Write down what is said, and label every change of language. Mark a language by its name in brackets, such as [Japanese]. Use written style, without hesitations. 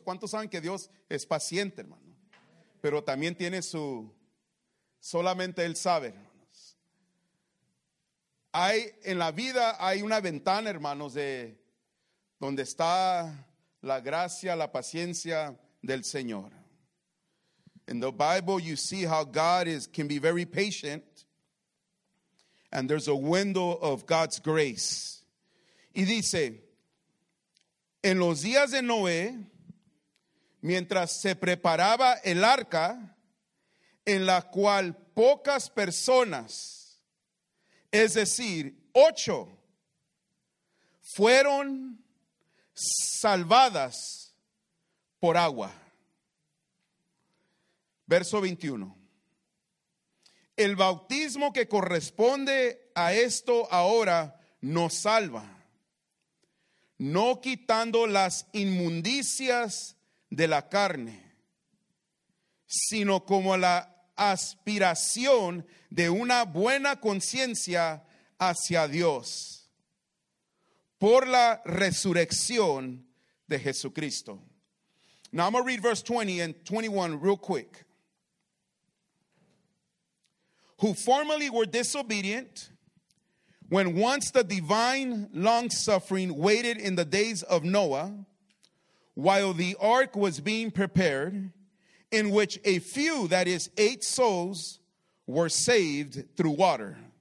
[Spanish] ¿Cuántos saben que Dios es paciente, hermano? Pero también tiene su, solamente Él sabe, hermanos. Hay, en la vida hay una ventana, hermanos, de donde está la gracia, la paciencia del Señor. [English] In the Bible you see how God can be very patient. And there's a window of God's grace. [Spanish] Y dice, en los días de Noé, mientras se preparaba el arca, en la cual pocas personas, es decir, 8, fueron salvadas por agua. Verso 21. El bautismo que corresponde a esto ahora nos salva, no quitando las inmundicias de la carne, sino como la aspiración de una buena conciencia hacia Dios por la resurrección de Jesucristo. [English] Now I'm going to read verse 20 and 21 real quick. Who formerly were disobedient, when once the divine long-suffering waited in the days of Noah, while the ark was being prepared, in which a few, that is, 8 souls, were saved through water.